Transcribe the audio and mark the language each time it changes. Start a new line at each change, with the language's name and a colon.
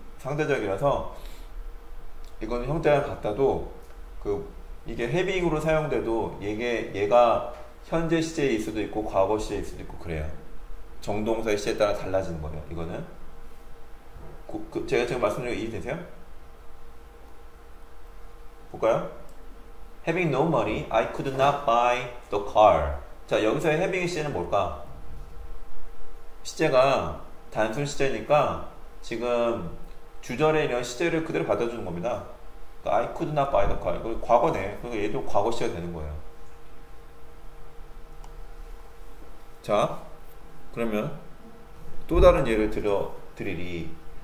Korean: 상대적이라서, 이거는 형태랑 같다도, 이게 헤빙으로 사용돼도, 얘가 현재 시제일 수도 있고, 과거 시제일 수도 있고, 그래요. 정동사의 시제에 따라 달라지는 거예요, 이거는. 제가 지금 말씀드린 거 이해되세요? 볼까요?
English: Having no money, I could not buy the car.
Korean: 자, 여기서의 having 시제는 뭘까? 시제가 단순 시제니까 지금 주절에 이런 시제를 그대로 받아주는 겁니다.
English: I could not buy the car.
Korean: 이거 과거네. 그러니까 얘도 과거 시제가 되는 거예요. 자, 그러면 또 다른 예를 들어 드리리.